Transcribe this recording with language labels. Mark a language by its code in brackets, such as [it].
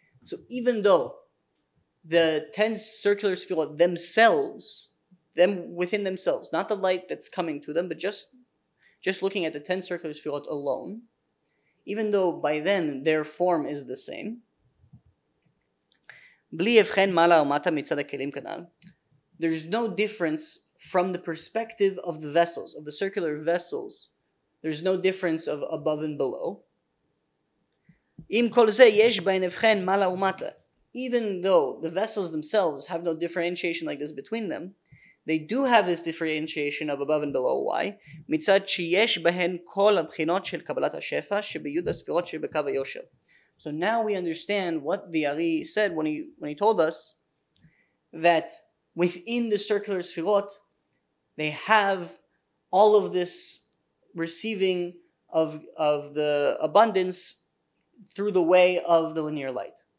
[en] So even though the 10 circular sefirot themselves, them within themselves, not the light that's coming to them, but just looking at the 10 circular sefirot alone, even though by them their form is the same, [he] בלי הבחן מעלה ומטה מצד הכלים כנל, [en] there's no difference from the perspective of the vessels, of the circular vessels, there's no difference of above and below. [he] אם כל זה יש בהן הבחן מעלה ומטה, [en] even though the vessels themselves have no differentiation like this between them, they do have this differentiation of above and below. Why? [he] מצד שיש בהן כל הבחינות של קבלת השפע שביוד הספירות שבקו היושר. [en] So now we understand what the Ari said when he told us that within the circular sefirot, they have all of this receiving of the abundance through the way of the linear light.